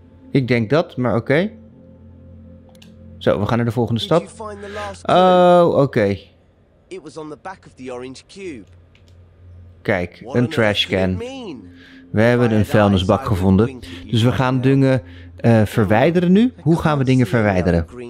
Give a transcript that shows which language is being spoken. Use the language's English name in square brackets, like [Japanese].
[Dutch] Ik denk dat, maar oké. Zo, we gaan naar de volgende stap. Oh, oké. [English] It was on the back of the orange cube. [Dutch] Kijk, een trashcan. We hebben een vuilnisbak gevonden. Dus we gaan dingen verwijderen nu. Hoe gaan we dingen verwijderen?